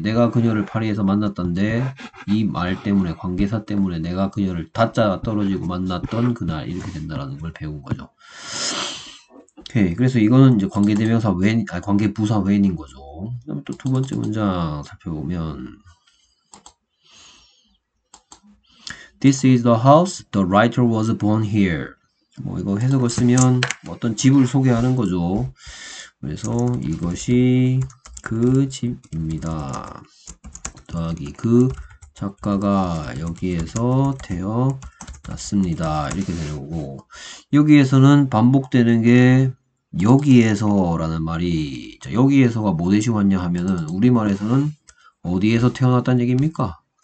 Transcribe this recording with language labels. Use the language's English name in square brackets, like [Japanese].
[Korean] 내가 그녀를 파리에서 만났던데 이말 때문에 관계사 때문에 내가 그녀를 다짜 떨어지고 만났던 그날 이렇게 된다라는 걸 배운 거죠. 오케이. 그래서 이거는 이제 관계대명사 when, 아니 관계부사 when인 거죠. 그다음에 또두 번째 문장 살펴보면 [English] This is the house the writer was born here. [Korean] 뭐 이거 해석을 쓰면 어떤 집을 소개하는 거죠. 그래서 이것이 그 집입니다. 더하기 그 작가가 여기에서 태어 났습니다. 이렇게 되는 거고, 여기에서는 반복되는 게 여기에서라는 말이, 자, 여기에서가 뭐 대신 왔냐 하면은 우리말에서는 어디에서 태어났단 얘기입니까?